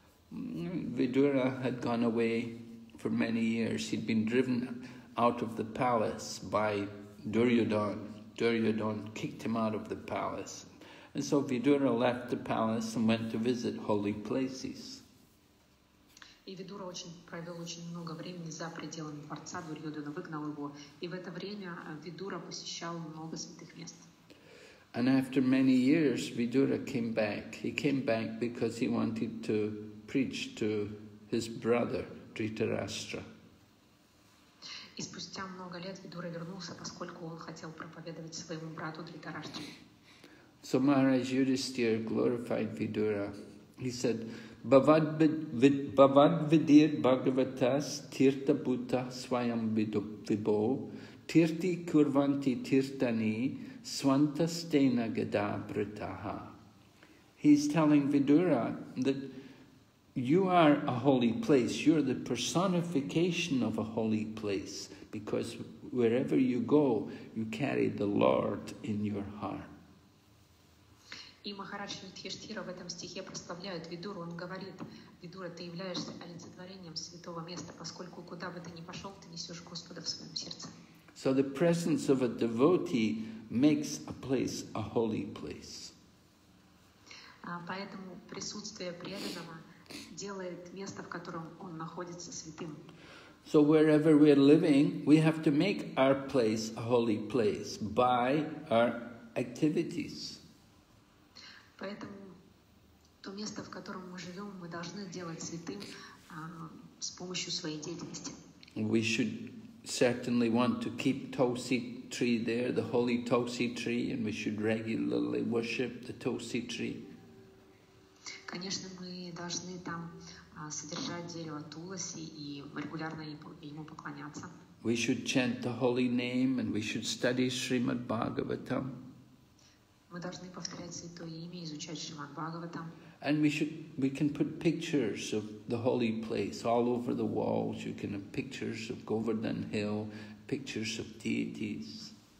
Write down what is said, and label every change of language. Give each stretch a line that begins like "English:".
English: Vidura had gone away for many years. He'd been driven out of the palace by Duryodhan. Duryodhan kicked him out of the palace. And so Vidura left the palace and went to visit holy places.
Russian: И Видура провел очень много времени за пределами дворца, Дурьёдхана выгнал его. И в это время Видура посещал много святых мест.
English: And after many years, Vidura came back. He came back because he wanted to preach to his brother, Dhritarashtra.
Russian: И спустя много лет Видура вернулся, поскольку он хотел проповедовать своему брату Дхритараштре.
English: So Maharaj Yudhisthira glorified Vidura. He said,
Sanskrit: Bhavadvidir Bhagavatas Tirtha Bhuta Swayam Vibho Tirthi Kurvanti Tirthani Swantastena Gada Bhritaha.
English: He's telling Vidura that you are a holy place, you're the personification of a holy place, because wherever you go, you carry the Lord in your heart.
Russian: И Махарадж Юдхиштхира в этом стихе прославляет Видуру. Он говорит: Видура, ты являешься олицетворением святого места, поскольку куда бы ты ни пошел, ты несешь Господа в своем сердце.
English: So the presence of a devotee makes a place a holy place.
Russian: Поэтому присутствие преданного делает место, в котором он находится, святым.
English: So wherever we are living, we have to make our place a holy place by our activities.
Russian: Поэтому то место, в котором мы живем, мы должны делать святым с помощью своей деятельности.
English: We should certainly want to keep Tulsi tree there, the holy Tulsi tree, and we should regularly worship the Tulsi tree.
Russian: Конечно, мы должны там содержать дерево Туласи и регулярно ему поклоняться.
English: We should chant the holy name and we should study Srimad Bhagavatam.
Russian: Мы должны повторять святое имя, изучать Шримад Бхагаватам.
English: And we can put pictures of the holy place all over the walls. You can have pictures of Govardhan Hill, pictures of deities.